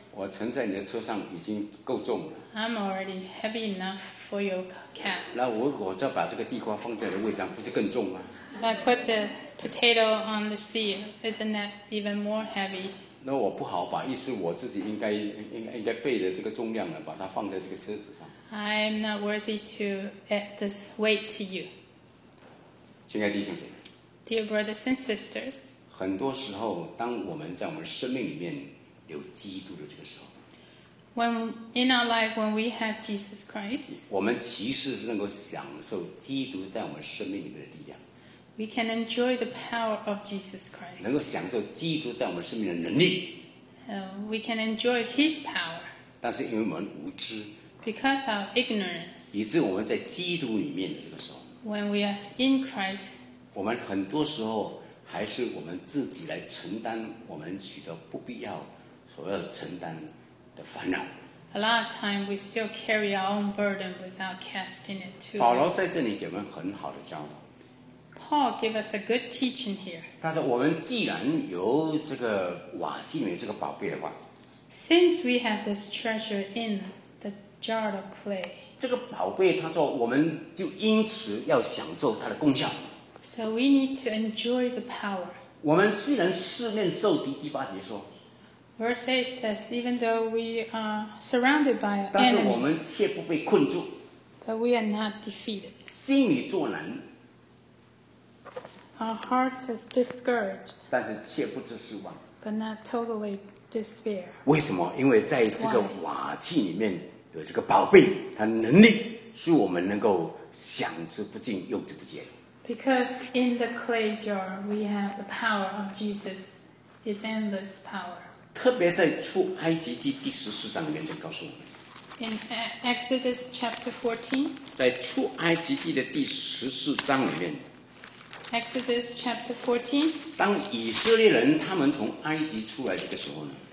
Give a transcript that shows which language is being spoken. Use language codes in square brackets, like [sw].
[zh] 我乘在你的车上已经够重了。 [en] I'm already heavy enough for your cab. [zh] 那我如果再把这个地瓜放在的位置上，不是更重吗？ [en] If I put the potato on the seat, isn't that even more heavy? [zh] 那我不好把，意思我自己应该背的这个重量了，把它放在这个车子上。 [en] I'm not worthy to add this weight to you. [zh] 亲爱的弟兄姐妹。 [en] Dear brothers and sisters. [zh] 很多时候，当我们在我们生命里面有基督的这个时候。 [en] When in our life, when we have Jesus Christ. [zh] 我们其实是能够享受基督在我们生命里面的力量。 [en] We can enjoy the power of Jesus Christ. [zh] 能够享受基督在我们生命的能力。 [en] We can enjoy His power. [zh] 但是因为我们无知。 [en] Because of ignorance. [zh] 以致我们在基督里面的这个时候。 [en] When we are in Christ. [zh] 我们很多时候还是我们自己来承担我们许多不必要所要承担的烦恼。 [en] A lot of time we still carry our own burden without casting it to. [zh] 保罗在这里给我们很好的教导。 [en] Paul gave us a good teaching here. [zh] 他说我们既然有这个瓦器里面这个宝贝的话， [en] Since we have this treasure in the jar of clay, [zh] 这个宝贝他说我们就因此要享受它的功效。 [en] So we need to enjoy the power. [zh] 我们虽然试炼受敌，第八节说， [en] Verse 8 says, even though we are surrounded by an enemy, [zh] 但是我们却不被困住， [en] but we are not defeated. [zh] 心里作难。 [en] Our hearts are discouraged, [zh] 但是却不知失望。 [en] But not totally despair. [zh] 为什么？因为在这个瓦器里面有这个宝贝，它能力使我们能够享之不尽，用之不竭。 [en] Because in the clay jar we have the power of Jesus, His endless power. [zh] 特别在出埃及记第十四章里面就告诉我们。 [en] In Exodus chapter 14. [zh] 在出埃及记的第十四章里面。 [en] Exodus chapter 14. [zh] 当以色列人他们从埃及出来的时候呢。